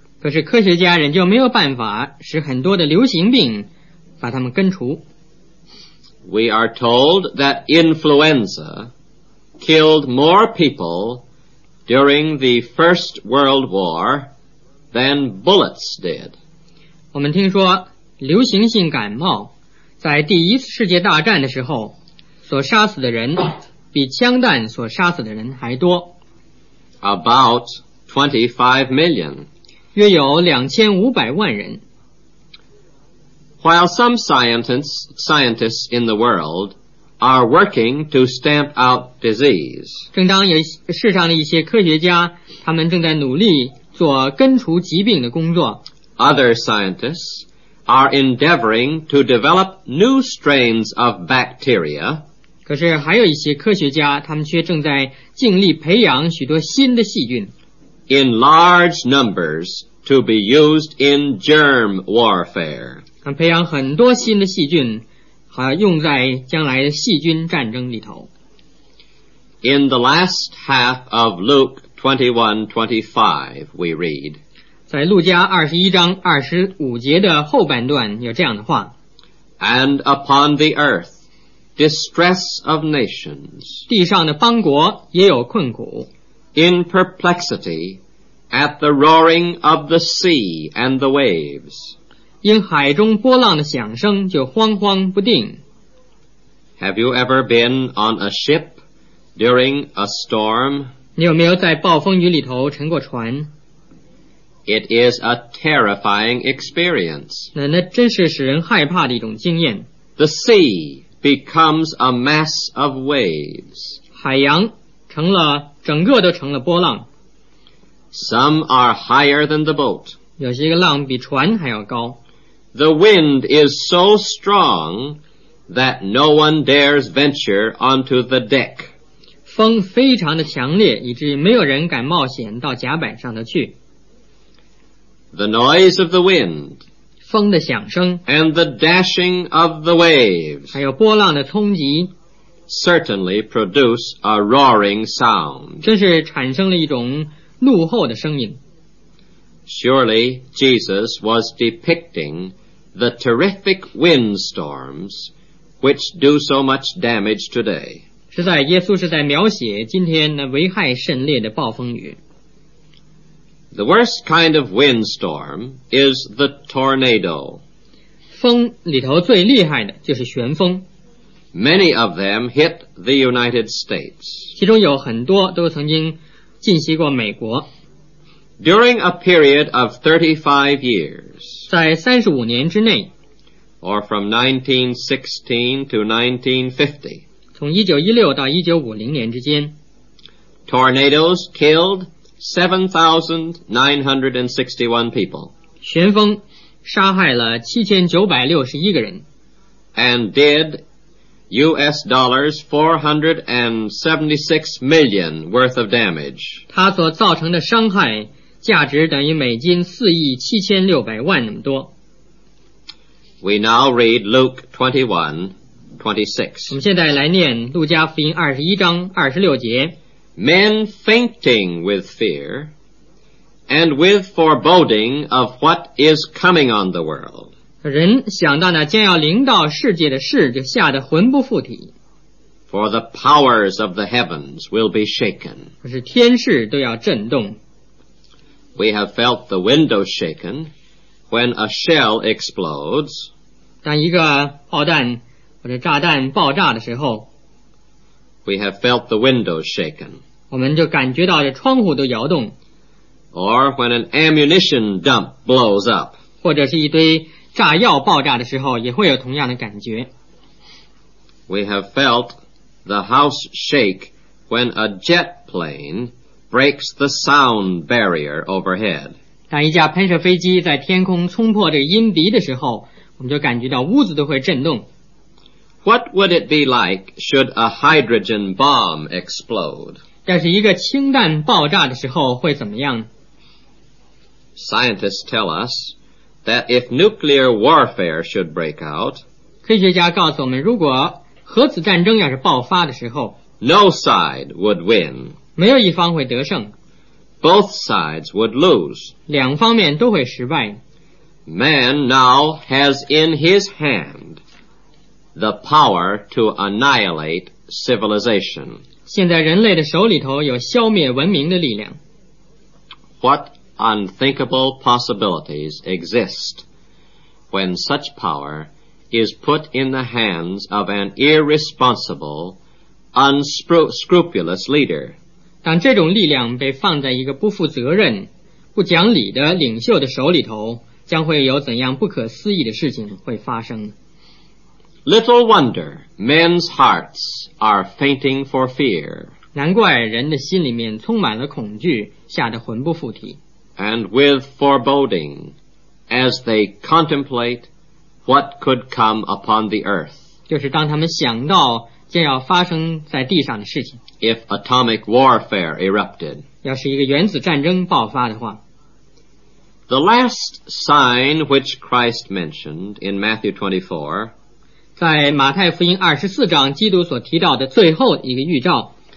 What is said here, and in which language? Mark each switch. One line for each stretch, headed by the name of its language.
Chinese: 可是科学家仍旧没有办法使很多的流行病把它们根除。
English: We are told that influenza killed more people during the First World War than bullets did.
Chinese: 我们听说流行性感冒在第一次世界大战的时候所杀死的人比枪弹所杀死的人还多。
English: About 25 million.
Chinese: 约有2500万人。
English: While some scientists in the world are working to stamp out disease.
Chinese: 正当有世上的一些科学家他们正在努力做根除疾病的工作。
English: Other scientists are endeavoring to develop new strains of bacteria.
Chinese: 可是还有一些科学家，他们却正在尽力培养许多新的细菌。
English: In large numbers to be used in germ warfare.
Chinese: 培养很多新的细菌，还用在将来细菌战争里头。
English: In the last half of Luke 21:25, we read,
Chinese: 在路加21章25节的后半段有这样的话。
English: And upon the earth, distress of nations,
Chinese: 地上的邦国也有困苦。
English: In perplexity, at the roaring of the sea and the waves,
Chinese: 因海中波浪的响声就慌慌不定。
English: Have you ever been on a ship during a storm?
Chinese: 你有没有在暴风雨里头乘过船？
English: It is a terrifying experience.
Chinese: 那真是使人害怕的一种经验。
English: The sea becomes a mass of waves.
Chinese: 海洋成了，整个都成了波浪。
English: Some are higher than the boat.
Chinese: 有些个浪比船还要高。
English: The wind is so strong that no one dares venture onto the deck.
Chinese: 风非常的强烈，以至于没有人敢冒险到甲板上的去。
English: The noise of the wind,
Chinese: 风的响声
English: and the dashing of the waves,
Chinese: 还有波浪的冲击
English: certainly produce a roaring sound.
Chinese: 真是产生了一种怒吼的声音。
English: Surely Jesus was depicting the terrific windstorms which do so much damage today.
Chinese: 实在耶稣是在描写今天那危害甚烈的暴风雨。
English: The worst kind of windstorm is the tornado.
Chinese: 风里头最厉害的就是旋风。
English: Many of them hit the United States.
Chinese: 其中有很多都曾经进袭过美国。
English: During a period of 35 years,
Chinese: 在35年之内
English: or from 1916 to 1950,
Chinese: 从1916到1950年之间
English: tornadoes killed 7,961 people,
Chinese: 旋风杀害了7,961个人
English: and did US dollars 476 million worth of damage.
Chinese: 它所造成的伤害价值等于美金4,760,000那么多。
English: We now read Luke 21:26.
Chinese: 我们现在来念路加福音21章26节。
English: Men fainting with fear and with foreboding of what is coming on the world.
Chinese: 人想到那将要临到世界的事，就吓得魂不附体。
English: For the powers of the heavens will be shaken.
Chinese: 可是天势都要震动。
English: We have felt the window shaken when a shell explodes.
Chinese: 当一个炮弹或者炸弹爆炸的时候。
English: We have felt the window shaken.
Chinese: 我们就感觉到这窗户都摇动。
English: Or when an ammunition dump blows up.
Chinese: 或者是一堆炸药爆炸的时候也会有同样的感觉。
English: We have felt the house shake when a jet plane breaks the sound barrier overhead.
Chinese: 当一架喷射飞机在天空冲破这个音笛的时候，我们就感觉到屋子都会震动。
English: What would it be like should a hydrogen bomb explode?
Chinese: 要是一个氢弹爆炸的时候会怎么样？
English: Scientists tell us,that if nuclear warfare should break out,
Chinese: 科学家告诉我们，如果核子战争要是爆发的时候，
English: no side would win,
Chinese: 没有一方会得胜，
English: both sides would lose,
Chinese: 两方面都会失败。
English: Man now has in his hand the power to annihilate civilization.
Chinese: 现在人类的手里头有消灭文明的力量。
English: WhatUnthinkable possibilities exist when such power is put in the hands of an irresponsible, unscrupulous leader.
Chinese: 当这种力量被放在一个不负责任、不讲理的领袖的手里头，将会有怎样不可思议的事情会发生？
English: Little wonder men's hearts are fainting for fear.
Chinese: 难怪人的心里面充满了恐惧，吓得魂不附体。
English: And with foreboding, as they contemplate what could come upon the earth.
Chinese: 就是当他们想到将要发生在地上的事情。
English: If atomic warfare erupted.
Chinese: 要是一个原子战争爆发的话。
English: The last sign which Christ mentioned in Matthew 24.
Chinese: 在马太福音二十四章基督所提到的最后一个预兆